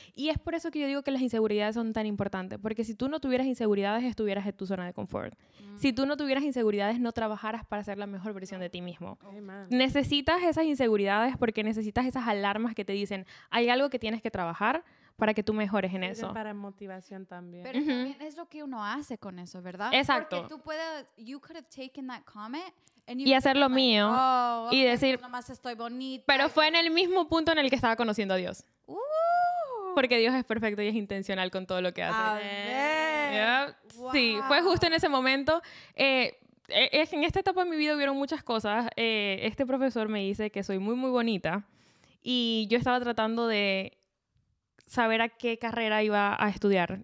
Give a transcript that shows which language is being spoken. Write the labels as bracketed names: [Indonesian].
[Spanish] Y es por eso que yo digo que las inseguridades son tan importantes, porque si tú no tuvieras inseguridades, estuvieras en tu zona de confort. Mm. Si tú no tuvieras inseguridades, no trabajaras para ser la mejor versión, yeah. de ti mismo. [English] Amen. [Spanish] Necesitas esas inseguridades porque necesitas esas alarmas que te dicen, hay algo que tienes que trabajar para que tú mejores en eso. Para motivación también. Pero uh-huh. también es lo que uno hace con eso, ¿verdad? Exacto. Porque tú puedes, [English] you could have taken that comment and [Spanish] y hacer lo mío. [English] Like, oh, okay, [Spanish] y decir, pues nomás estoy bonita. Pero fue en el mismo punto en el que estaba conociendo a Dios. Porque Dios es perfecto y es intencional con todo lo que hace. Amén. [English] Yeah. Wow. [Spanish] Sí, fue justo en ese momento. En esta etapa de mi vida hubieron muchas cosas. Este profesor me dice que soy muy, muy bonita. Y yo estaba tratando de saber a qué carrera iba a estudiar.